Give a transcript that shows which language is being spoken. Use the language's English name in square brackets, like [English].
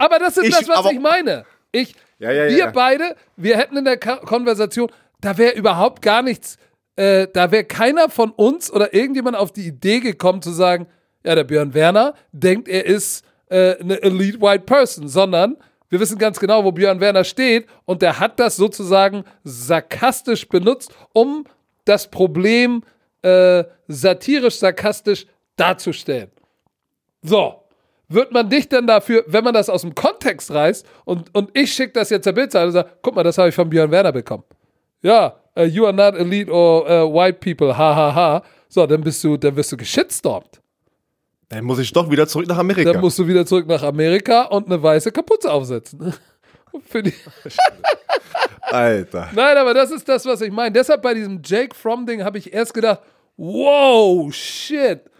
[German] Aber das ist das, was ich meine. Wir beide, wir hätten in der Konversation, da wäre überhaupt gar nichts, da wäre keiner von uns oder irgendjemand auf die Idee gekommen zu sagen, ja, der Björn Werner denkt, er ist eine Elite White Person, sondern wir wissen ganz genau, wo Björn Werner steht und der hat das sozusagen sarkastisch benutzt, um das Problem satirisch-sarkastisch darzustellen. So. Wird man dich denn dafür, wenn man das aus dem Kontext reißt und ich schicke das jetzt der Bildzeitung und sage, guck mal, das habe ich von Björn Werner bekommen. [English] Ja, you are not elite or white people, ha, ha, ha. [German] So, dann bist du geshitstormt. Dann muss ich doch wieder zurück nach Amerika. Dann musst du wieder zurück nach Amerika und eine weiße Kapuze aufsetzen. Alter. Nein, aber das ist das, was ich meine. Deshalb bei diesem Jake Fromm-Ding habe ich erst gedacht, wow, shit.